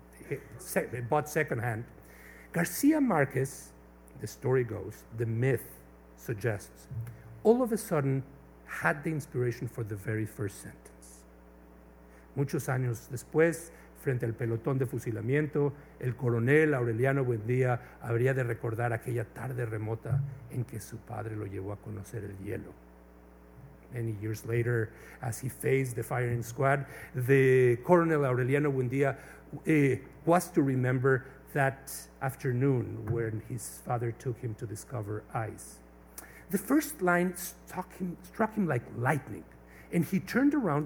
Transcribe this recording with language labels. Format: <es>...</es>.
<en>It was bought secondhand. Garcia Marquez, the story goes, the myth suggests, all of a sudden had the inspiration for the very first sentence.</en> <es>Muchos años después, frente al pelotón de fusilamiento, el coronel Aureliano Buendía habría de recordar aquella tarde remota en que su padre lo llevó a conocer el hielo.</es> <en>Many years later, as he faced the firing squad, the Coronel Aureliano Buendía was to remember that afternoon when his father took him to discover ice. The first line struck him like lightning, and he turned around.</en>